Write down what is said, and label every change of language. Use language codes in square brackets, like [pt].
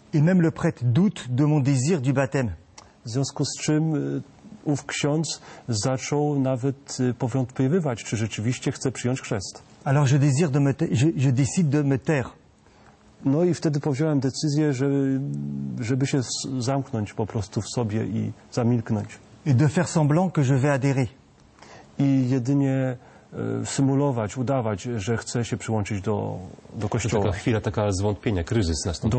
[fr] Et même le prêtre doute de mon désir du baptême. [pl] W związku z czym ów ksiądz zaczął nawet powątpiewać, czy rzeczywiście chce przyjąć chrzest. [fr] Alors je décide de me taire. [pl] No i wtedy powziąłem decyzję, żeby się zamknąć po prostu w sobie i zamilknąć. [fr] Et de faire semblant que je vais adhérer. [pl] I jedynie symulować, udawać, że chce się przyłączyć do Kościoła. To taka chwila, taka zwątpienia, kryzys nastąpił.